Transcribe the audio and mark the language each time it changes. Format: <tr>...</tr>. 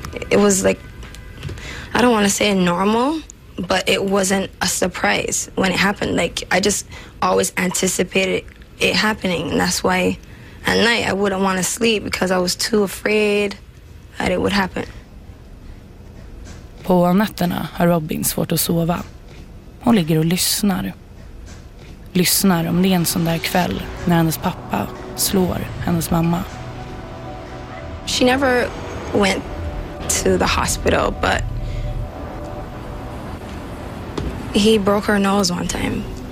<en>It was like, I don't want to say normal, but it wasn't a surprise when it happened. Like, I just always anticipated it happening. And that's why at night I wouldn't want to sleep because I was too afraid that it would happen.</en> <sv>På nätterna har Robin svårt att sova. Hon ligger och lyssnar. Lyssnar om det är en sån där kväll när hennes pappa slår hennes mamma.</sv> <en>She never went to the hospital, but he broke her nose one time.</en>